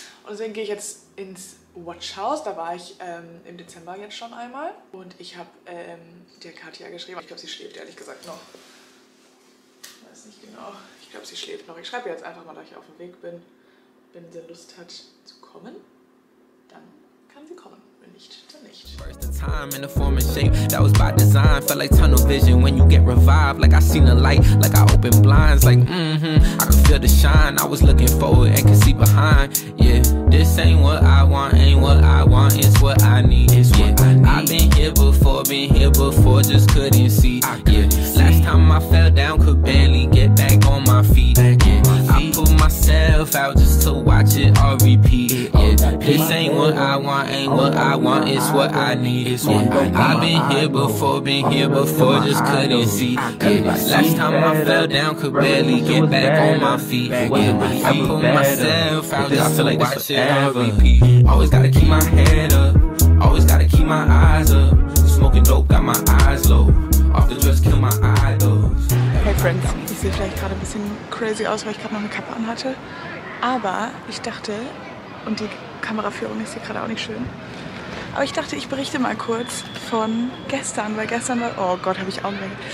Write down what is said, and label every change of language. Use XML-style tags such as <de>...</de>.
<de>Und deswegen gehe ich jetzt ins Watch House, da war ich im Dezember jetzt schon einmal. Und ich habe der Katja geschrieben, ich glaube, sie schläft ehrlich gesagt noch. Weiß nicht genau, ich glaube, sie schläft noch. Ich schreibe jetzt einfach mal, da ich auf dem Weg bin. Wenn sie Lust hat zu kommen, dann kann sie kommen.</de> <en>First time in a form and shape that was by design. Felt like tunnel vision when you get revived. Like I seen a light, like I opened blinds. Like I could feel the shine. I was looking forward and could see behind. Yeah, this ain't what I want, ain't what I want. It's what I need. It's what I need. I've been here before, just couldn't see. Yeah, last time I fell down, could barely get back on my feet. Yeah, I put myself out just to watch it all repeat. This ain't what I want, ain't what I want, it's what I need. It's what I've been here before, just couldn't see. Yeah. Last time I fell down, could barely get back on my feet. Yeah. I put myself out, just to watch it all repeat. Always gotta keep my head up, always gotta keep my eyes up. Smoking dope, got my eyes low, off the dress, kill my idols. Hey friends,</en> <de>ich sehe vielleicht gerade ein bisschen crazy aus, weil ich gerade noch eine Kappe anhatte. Aber ich dachte, und die Kameraführung ist hier gerade auch nicht schön. Aber ich dachte, ich berichte mal kurz von gestern, weil gestern war, oh Gott, habe ich Augenringe.</de>